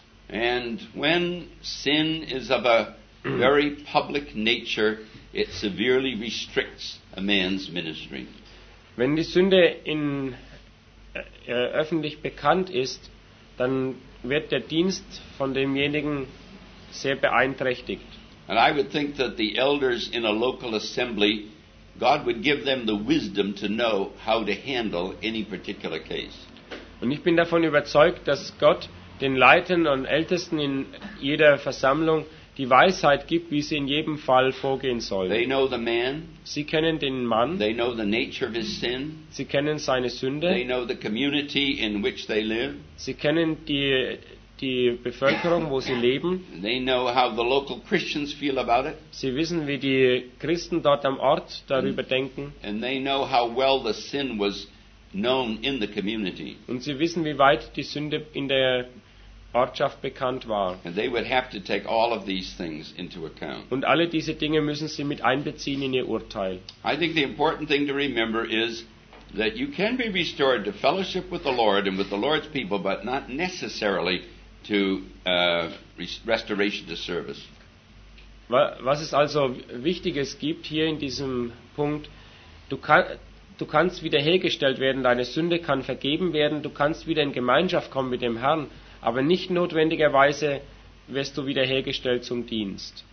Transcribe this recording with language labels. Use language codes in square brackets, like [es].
[en] And when sin is of a very public nature, it severely restricts a man's ministry. [de] Wenn die Sünde in öffentlich bekannt ist, dann wird der Dienst von demjenigen sehr beeinträchtigt. [en] And I would think that the elders in a local assembly, God would give them the wisdom to know how to handle any particular case. [de] Und ich bin davon überzeugt, dass Gott den Leitern und Ältesten in jeder Versammlung die Weisheit gibt, wie sie in jedem Fall vorgehen sollen. [en] They know the man. [de] Sie kennen den Mann. [en] They know the nature of his sin. [de] Sie kennen seine Sünde. [en] They know the community in which they live. [de] Sie kennen die Bevölkerung, wo sie leben. [en] They know how the local Christians feel about it. [de] Sie wissen, wie die Christen dort am Ort darüber denken. [en] And they know how well the sin was known in the community. [de] Und sie wissen, wie weit die Sünde in der Ortschaft bekannt war. [en] And they would have to take all of these things into account. [de] Und alle diese Dinge müssen sie mit einbeziehen in ihr Urteil. [en] I think the important thing to remember is that you can be restored to fellowship with the Lord and with the Lord's people, but not necessarily to restoration to service. [de] Was es also Wichtiges gibt hier in diesem Punkt, du kannst wiederhergestellt werden, deine Sünde kann vergeben werden, du kannst wieder in Gemeinschaft kommen mit dem Herrn, aber nicht notwendigerweise wirst du wiederhergestellt zum Dienst.